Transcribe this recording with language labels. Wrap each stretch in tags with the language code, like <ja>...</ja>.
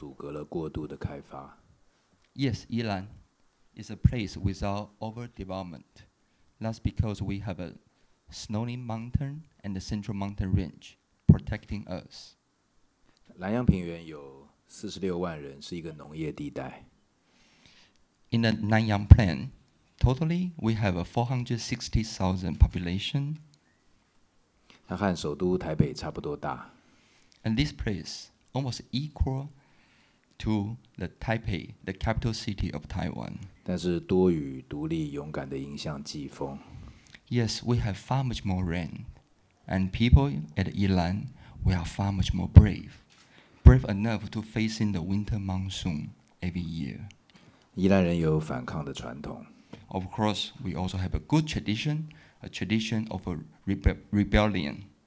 <zh>宜兰有雪山山脉和中央山脉的保护，幸运地阻隔了过度的开发。</zh> <en>Yes, Yilan is a place without overdevelopment. That's because we have a snowy mountain and the central mountain range protecting us.</en> <zh>南洋平原有46万人，是一个农业地带。</zh> <en>In the Nanyang Plain, totally we have a 460,000 population.</en> <zh>它和首都台北差不多大。</zh> <en>And this place almost equal to the Taipei, the capital city of Taiwan.</en> <zh>但是多雨、独立、勇敢的迎向季风。</zh> <en>Yes, we have far much more rain, and people at Yilan, we are far much more brave. Brave enough to face in the winter monsoon every year.</en> <zh>宜兰人有反抗的传统。</zh> <en>Of course, we also have a good tradition, a tradition of a rebellion.</en>